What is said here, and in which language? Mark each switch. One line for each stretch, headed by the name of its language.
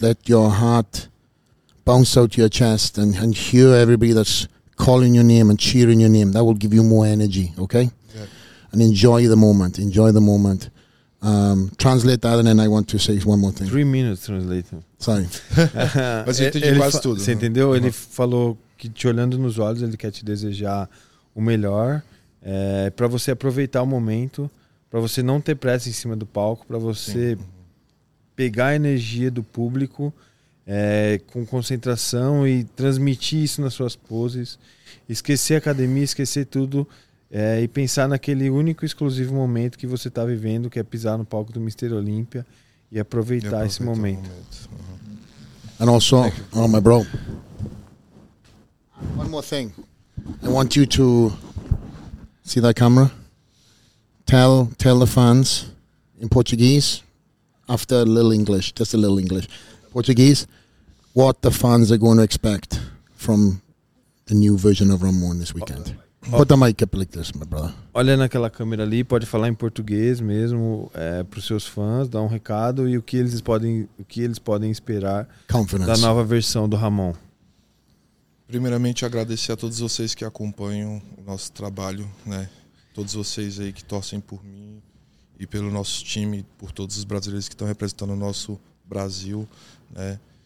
English: Let your heart bounce out your chest and hear everybody that's calling your name and cheering your name. That will give you more energy, okay? And enjoy the moment. Enjoy the moment. Translate that, and then I want to say one more thing. 3 minutes translating. Sorry.
Portuguese: Mas eu entendi quase tudo. Você entendeu? Ele falou que te olhando nos olhos, ele quer te desejar o melhor, para você aproveitar o momento, para você não ter pressa em cima do palco, para você pegar a energia do público com concentração e transmitir isso nas suas poses, esquecer a academia, esquecer tudo, e pensar naquele único e exclusivo momento que você está vivendo, que é pisar no palco do Mr. Olympia e aproveitar esse momento.
English: And also, oh my bro, one more thing. I want you to see that camera. Tell the fans in Portuguese, after a little English, just a little English, Portuguese, what the fans are going to expect from the new version of Ramon this weekend. Put the mic up like this, my brother.
Portuguese: Olha naquela câmera ali, pode falar em português mesmo, para os seus fãs, dar um recado e o que eles podem esperar.
English: Confidence.
Portuguese: Da nova versão do Ramon. Primeiramente, agradecer a todos vocês que acompanham o nosso trabalho, né? Todos vocês aí que torcem por mim e pelo nosso time, por todos os brasileiros que estão representando o nosso Brasil, né?